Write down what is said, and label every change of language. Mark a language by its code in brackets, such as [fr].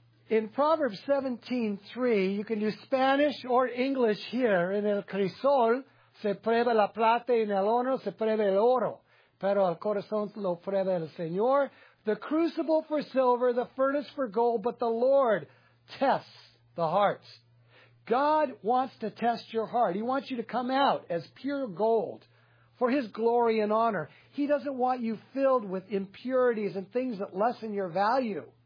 [en] In Proverbs 17, 3, you can use Spanish or English here. [es] En el crisol se prueba la plata y en el horno se prueba el oro. Pero el corazón lo prueba el Señor. [en] The crucible for silver, the furnace for gold, but the Lord tests the hearts. God wants to test your heart. He wants you to come out as pure gold for His glory and honor. He doesn't want you filled with impurities and things that lessen your value.